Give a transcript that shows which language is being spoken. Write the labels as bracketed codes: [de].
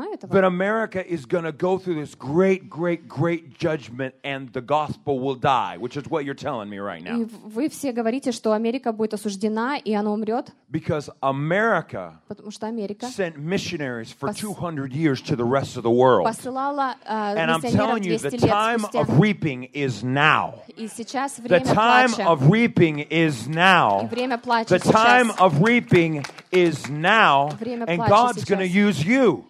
[en] But America is going to go through this great, great, great judgment and the gospel will die, which is what you're telling me right now. [ru] Вы все говорите, что Америка будет осуждена, и она умрет. [en] Because America sent missionaries for 200 years to the rest of the world. And I'm telling you, the time of reaping is now. The time of reaping is now. The time of reaping is now, and God's going to use you.